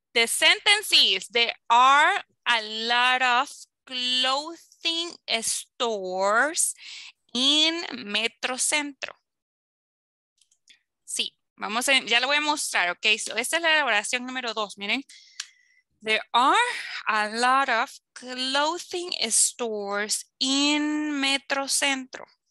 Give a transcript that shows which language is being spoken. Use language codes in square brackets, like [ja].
[en] The sentence is, there are a lot of clothing stores in Metro Centro. [es] Sí, vamos a, ya lo voy a mostrar, ok. So, esta es la oración número dos, miren. [en] There are a lot of clothing stores in Metro Centro.